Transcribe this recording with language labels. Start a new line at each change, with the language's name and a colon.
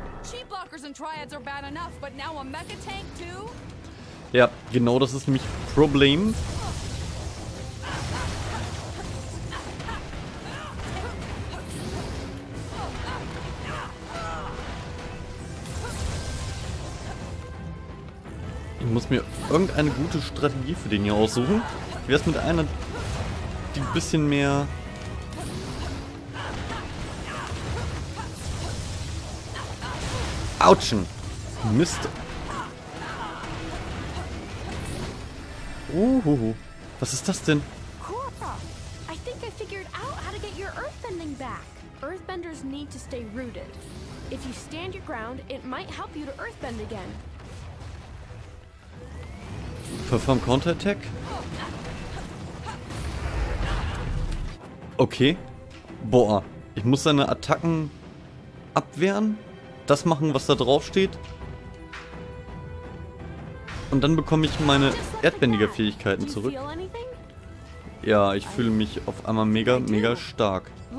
English: Cheap blockers and triads are bad enough, but now a mecha tank too?
German: Ja, genau das ist nämlich Problem. Ich muss mir irgendeine gute Strategie für den hier aussuchen. Ich werde es mit einer, die ein bisschen mehr... Autschen! Mist! Uhuhu. Was ist das denn?
English: Kura, I think I figured out how to get your earthbending back. Earthbenders need to stay rooted. If you stand your ground, it might help you to earthbend again. Perform Counterattack. Okay.
German: Boah, ich muss seine Attacken abwehren. Das machen, was da drauf steht. Und dann bekomme ich meine erdbändige Fähigkeiten zurück. Ja, ich fühle mich auf einmal mega, mega stark.